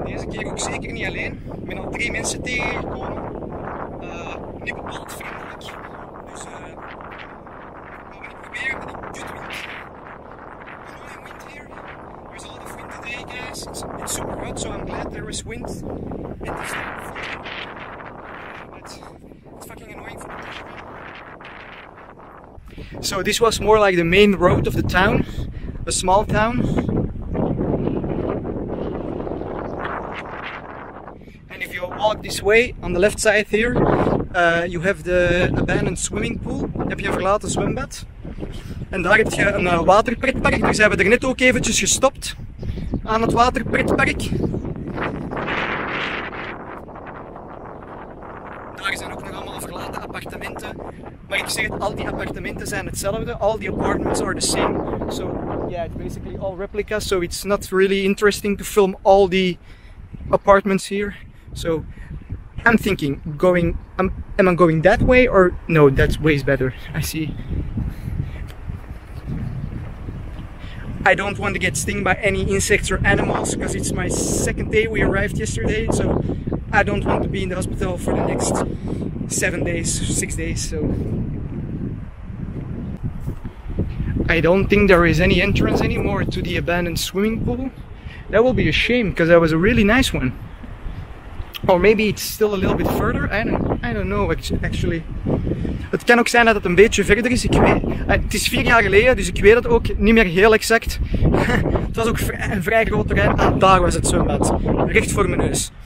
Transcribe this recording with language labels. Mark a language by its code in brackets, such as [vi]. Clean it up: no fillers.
[nl] hier ook zeker niet alleen. Ik ben al 3 mensen tegengekomen. Niet bepaald vriendelijk. Dus we gaan proberen met een [en] good wind. Annoying wind here. There's a lot of wind today, guys. It's super hot, so I'm glad there is wind. It is not fun. But it's fucking annoying for me. So this was more like the main road of the town. A small town. Walk this way, on the left side here, you have the abandoned swimming pool. [nl] Heb je een verlaten zwembad. En daar heb je een waterpretpark. Dus hebben we er net ook eventjes gestopt aan het waterpretpark. Daar zijn ook nog allemaal verlaten appartementen. Maar ik zeg het, al die appartementen zijn hetzelfde. [en] All the apartments are the same. So, yeah, it's basically all replicas. So it's not really interesting to film all the apartments here. So, I'm thinking, am I going that way or no, that way is better, I see. I don't want to get stung by any insects or animals because it's my second day, we arrived yesterday, so I don't want to be in the hospital for the next 7 days, 6 days, so. I don't think there is any entrance anymore to the abandoned swimming pool. That will be a shame because that was a really nice one. Or maybe it's still a little bit further, I don't know actually. [nl] Het kan ook zijn dat het een beetje verder is, ik weet, het is 4 jaar geleden, dus ik weet het ook niet meer heel exact. Het was ook een vrij groot terrein, ah, daar was het zwembad, recht voor mijn neus.